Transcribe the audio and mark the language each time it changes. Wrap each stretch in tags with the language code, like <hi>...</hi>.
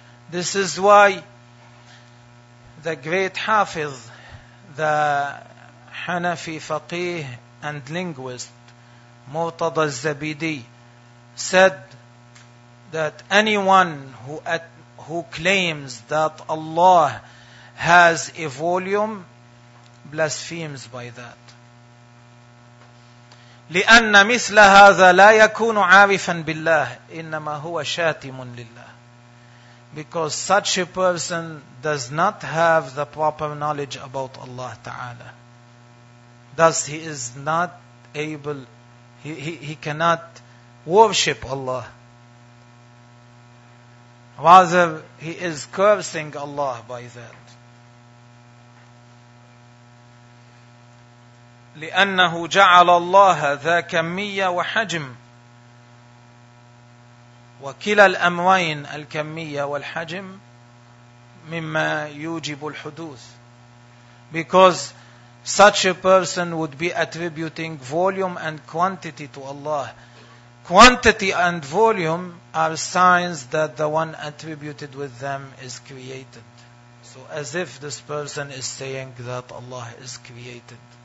<en>This is why the great Hafiz, the Hanafi faqih and linguist مرتضى الزبيدي said that anyone who claims that Allah has a volume blasphemes by that.</en> <ar>لأن مثل هذا لا يكون عارفا بالله إنما هو شاتم لله.</ar> <en>Because such a person does not have the proper knowledge about Allah Ta'ala. Thus he is not able, he cannot worship Allah. Rather, he is cursing Allah by that.</en> <ar>لأنه جعل الله ذا كمية وحجم وكلا الأمرين الكمية والحجم مما يوجب الحدوث.</ar> <en>Because such a person would be attributing volume and quantity to Allah. Quantity and volume are signs that the one attributed with them is created. So as if this person is saying that Allah is created.</en>